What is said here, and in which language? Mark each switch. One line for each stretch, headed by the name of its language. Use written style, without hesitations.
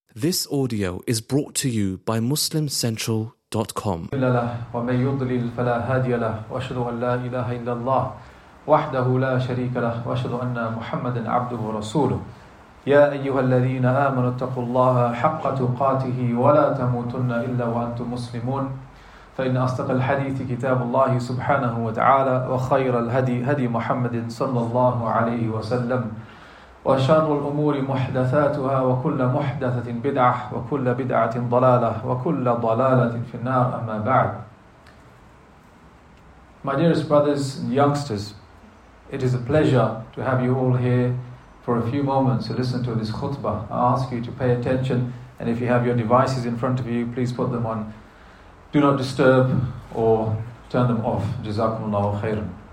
English: This audio is brought to you by MuslimCentral.com.
Arabic: ومن يضلل فلا هادي له واشهد ان لا اله الا الله وحده لا شريك له واشهد ان محمدا عبده ورسوله يا ايها الذين امنوا اتقوا الله حق تقاته ولا تموتن الا وانتم مسلمون فان اصدق الحديث كتاب الله سبحانه وتعالى وخير الهدي هدي محمد صلى الله عليه وسلم وشر الأمور محدثاتها وكل محدثة بدعة وكل بدعة ضلالة وكل ضلالة في النار أما بعد.
English: My dearest brothers and youngsters, it is a pleasure to have you all here for a few moments to listen to this khutbah. I ask you to pay attention, and if you have your devices in front of you, please put them on. Do not disturb or turn them off. Jazakumullahu khairan.